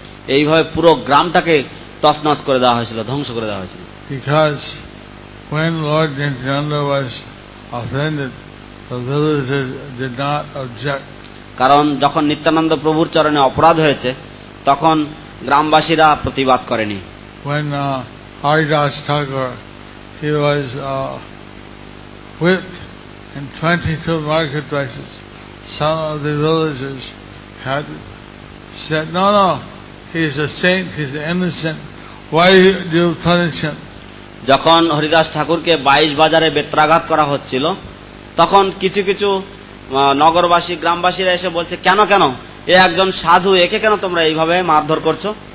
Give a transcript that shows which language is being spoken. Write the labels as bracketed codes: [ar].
[bn] এইভাবে পুরো গ্রামটাকে তছনছ করে দেওয়া হয়েছিল, ধ্বংস করে দেওয়া হয়েছিল। [en] Because when Lord Nityananda was offended, the villagers did not object. [bn] কারণ যখন নিত্যানন্দ প্রভুর চরণে অপরাধ হয়েছে তখন গ্রামবাসীরা প্রতিবাদ করেনি। [en] When Haridas Thakur, he was whipped in 22 marketplaces. Some of the villagers had said, no, no, he's a saint, he's innocent. Why do you punish him? [bn] যখন হরিদাস ঠাকুরকে 22 বাজারে বেত্রাঘাত করা হচ্ছিল তখন কিছু কিছু নগরবাসী গ্রামবাসীরা এসে বলছে কেন কেন এ একজন সাধু, একে কেন তোমরা এইভাবে মারধর করছো।